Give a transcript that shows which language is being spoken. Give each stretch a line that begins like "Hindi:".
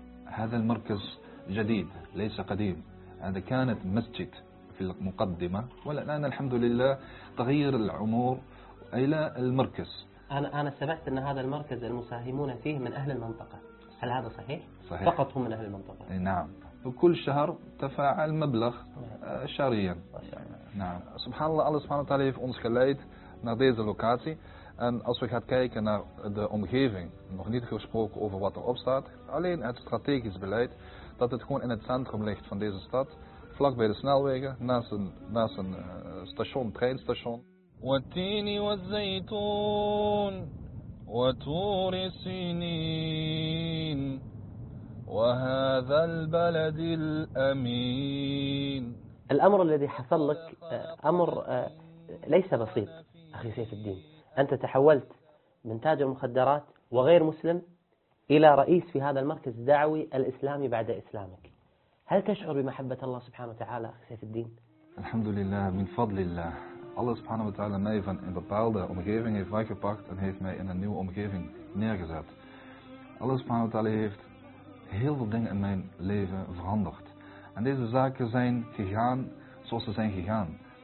Arabic: هذا المركز جديد ليس قديم، هذا كانت مسجد في المقدمة، والآن الحمد لله تغير العمور إلى المركز. أنا سمعت أن هذا المركز المساهمون فيه من أهل المنطقة، هل هذا صحيح؟ صحيح، فقط هم من أهل المنطقة. نعم، وكل شهر تفاعل مبلغ شهريا. نعم، سبحان الله، الله سبحانه وتعالى
Dutch: heeft ons geleid naar deze locatie. En als we gaan kijken naar de omgeving, nog niet gesproken over wat erop staat, alleen het strategisch beleid dat het gewoon in het centrum ligt van deze stad, vlak bij de snelwegen, naast een station, treinstation.
Arabic: والتين والزيتون وتور سينين وهذا البلد الأمين. الأمر الذي حصل لك أمر ليس بسيط أخي سيف الدين، أنت تحولت من تاجر مخدرات وغير مسلم إلى رئيس في هذا المركز الدعوي الإسلامي بعد إسلامك، هل تشعر بمحبة الله سبحانه وتعالى أخي سيف الدين؟ الحمد لله، من فضل الله، الله سبحانه وتعالى
Dutch: mij van een bepaalde omgeving heeft weggepakt en heeft mij in een nieuwe omgeving neergezet. Allah subhanahu wa ta'ala heeft heel veel dingen in mijn leven veranderd. En deze zaken zijn gegaan zoals ze zijn gegaan.